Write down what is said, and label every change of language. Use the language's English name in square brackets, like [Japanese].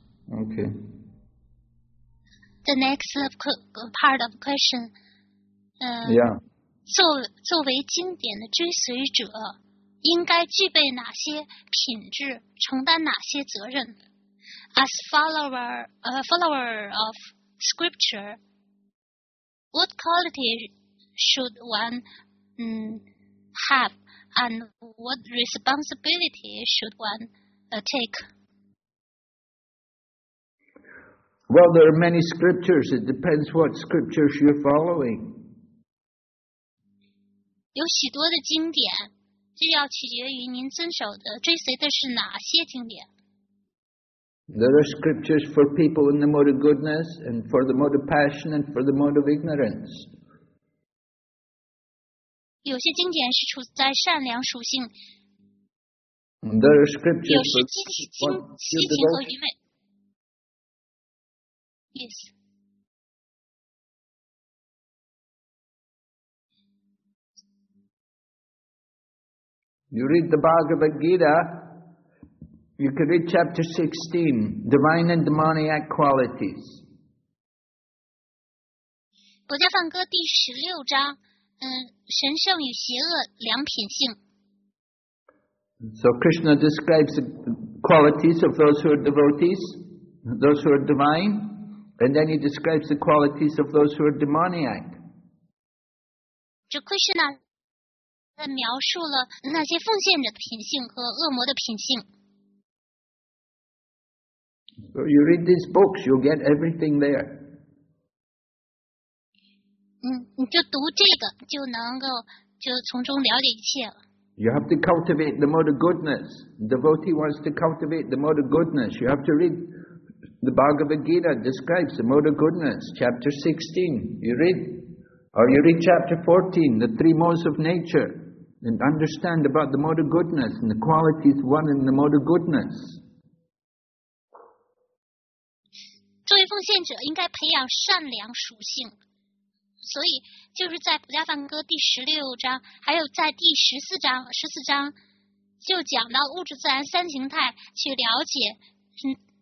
[English] OK. The next part of question. Yeah. [Chinese] 作为经典的追随者，应该具备哪些品质，承担哪些责任？ [English] As follower of scripture, what quality should one have, and what responsibility should one take? Well, there are many scriptures. It depends what scriptures you're following. [Chinese] 有许多的经典，这要取决于您遵守的、追随的是哪些经典。 [English] There are scriptures for people in the mode of goodness, and for the mode of passion, and for the mode of ignorance. [Chinese] 有些经典是处在善良属性。 [English] There are scriptures for people in the mode of goodness. Yes. You read the Bhagavad Gita, you can read chapter 16, Divine and Demoniac Qualities. [Chinese] 国家梵歌第十六章，神圣与邪恶两品性。 [English] So Krishna describes the qualities of those who are devotees, those who are divine. And then he describes the qualities of those who are demoniac. So [Chinese] Krishna 描述了那些奉献者的品性和恶魔的品性。 [English] So you read these books, you'll get everything there. [Chinese] 你就读这个，就能够就从中了解一切了。 [English] You have to cultivate the mode of goodness. The devotee wants to cultivate the mode of goodness. You have to read. The Bhagavad Gita describes the mode of goodness, chapter 16. You read chapter 14, the three modes of nature, and understand about the mode of goodness and the qualities one in the mode of goodness. [Chinese] 作为奉献者应该培养善良属性，所以就是在《普加梵歌》第十六章，还有在第十四章，就讲到物质自然三形态，去了解。